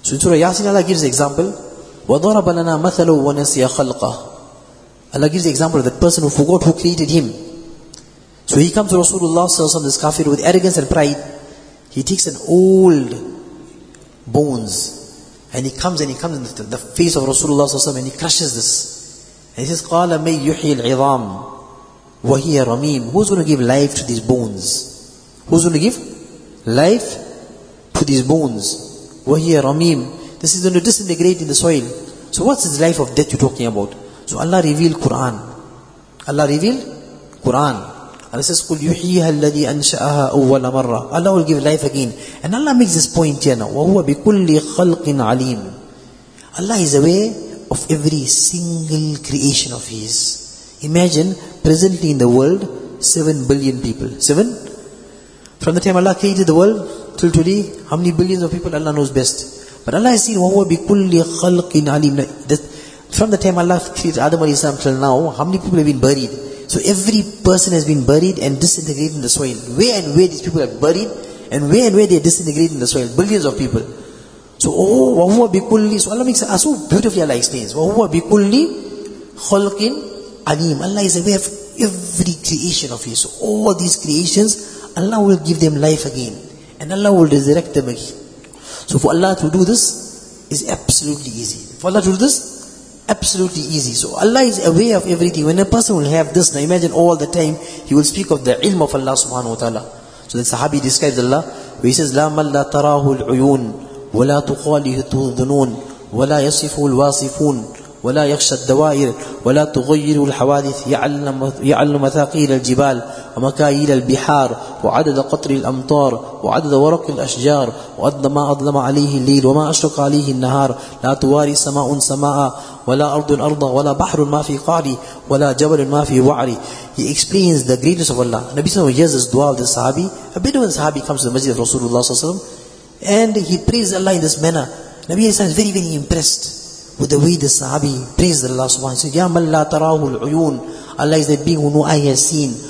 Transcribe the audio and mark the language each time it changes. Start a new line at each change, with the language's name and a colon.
English: So in Surah Yasin, Allah gives the example.
Arabic: وَضَرَبَ لَنَا مَثَلُ وَنَسِيَ خَلْقَهُ.
English: Allah gives the example of the person who forgot who created him. So he comes to Rasulullah sallallahu alaihi wasallam, this kafir, with arrogance and pride. He takes an old bones and he comes in the face of Rasulullah sallallahu alaihi wasallam and he crushes this. And he says,
Arabic: قَالَ مَنْ يُحْيِي الْعِظَامِ وَهِيَ رَمِيمِ.
English: Who's going to give life to these bones? Who's going to give life to these bones?
Arabic: وَهِيَ رَمِيمِ.
English: This is going to disintegrate in the soil. So what's this life of death you're talking about? So Allah revealed Quran. Allah revealed Quran. Allah says,
Arabic: قُلْ يُحْيِيهَا الَّذِي أَنْشَأَهَا أَوَّلَ مَرَّةٍ.
English: Allah will give life again. And Allah makes this point here now.
Arabic: وَهُوَ بِكُلِّ خَلْقٍ عَلِيمٍ.
English: Allah is aware of every single creation of His. Imagine, presently in the world, 7 billion people. 7? From the time Allah created the world, till today, how many billions of people Allah knows best. But Allah has seen,
Arabic: وَهُوَ بِكُلِّ خَلْقٍ عَلِيمٍ.
English: From the time Allah created Adam alayhi salam till now, how many people have been buried? So every person has been buried and disintegrated in the soil. Where and where these people are buried, and where they are disintegrated in the soil. Billions of people. So, oh,
Arabic: وَهُوَ بِكُلِّ.
English: So Allah makes it so beautifully, Allah explains.
Arabic: وَهُوَ بِكُلِّ خَلْقٍ عَلِيمٍ.
English: Allah is aware of every creation of His. So all these creations, Allah will give them life again. And Allah will resurrect them again. So for Allah to do this, is absolutely easy. For Allah to do this, absolutely easy. So Allah is aware of everything. When a person will have this, now imagine all the time, he will speak of the ilm of Allah subhanahu wa ta'ala. So the sahabi describes Allah, where he says,
Arabic: لَا مَنْ لَا تَرَاهُ الْعُيُونَ وَلَا تُقَالِهُ تُذْنُونَ وَلَا يَصِفُهُ الْوَاصِفُونَ ولا يخشى الدوائر ولا تغير الحوادث يعلم مثاقيل الجبال ومكاييل البحار وعدد قطر الأمطار وعدد ورق الأشجار وأدنى ما أظلم عليه الليل وما أشرق عليه النهار لا تواري سماء سماء ولا أرض أرض ولا بحر ما في قعري ولا جبل ما في وعري.
English: He explains the greatness of Allah. Nabi Sallallahu Alaihi Wasallam hears this dua of the Sahabi. A Bedouin Sahabi comes to the Masjid of Rasulullah Sallallahu Alaihi Wasallam and he praises Allah in this manner. Nabi Sallallahu Alaihi Wasallam is very impressed with the way the Sahabi praises Allah Subhanahu. He said,
Arabic: Ya man la tarahu al-uyun,
English: Allah is the being who no eye has seen.